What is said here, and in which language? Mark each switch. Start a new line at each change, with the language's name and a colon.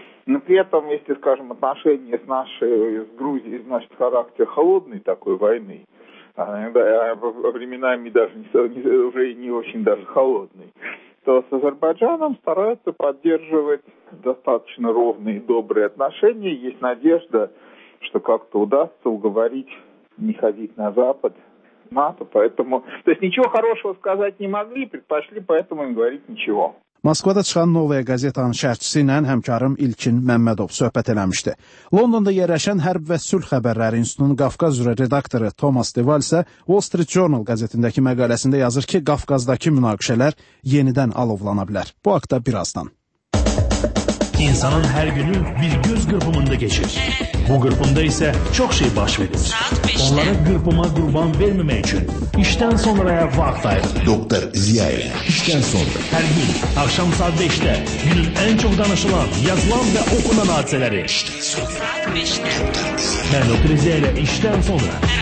Russian: Но при этом, если, скажем, отношения с нашей, с Грузией, значит, характер холодной такой войны, временами даже не очень даже холодной, то с Азербайджаном стараются поддерживать достаточно ровные и добрые отношения. Есть надежда, что как-то удастся уговорить не ходить на Запад, НАТО, поэтому... То есть ничего хорошего сказать не могли, предпочли поэтому не говорить ничего.
Azerbaijani: Moskvada çıxan Novaya Qazetanın şərhçisi ilə həmkarım İlkin Məmmədov söhbət eləmişdi. Londonda yerləşən Hərb və Sülh Xəbərləri İnstitutunun Qafqaz üzrə redaktoru Thomas Deval isə Wall Street Journal qəzetindəki məqaləsində yazır ki, Qafqazdakı münaqişələr yenidən alovlana bilər. Bu haqda birazdan. İnsanın hər günü bir göz qırpımında geçir. Bu qırpımda isə çox şey baş verir. Onlara qırpıma qurban verməmək üçün işdən sonra vaxt ayır. Doktor Ziyayla. İşdən sonra. Hər gün, axşam saat 5-də günün ən çox danışılan, yazılan və oxunan hadisələri. Mən Doktor Ziyayla işdən sonra.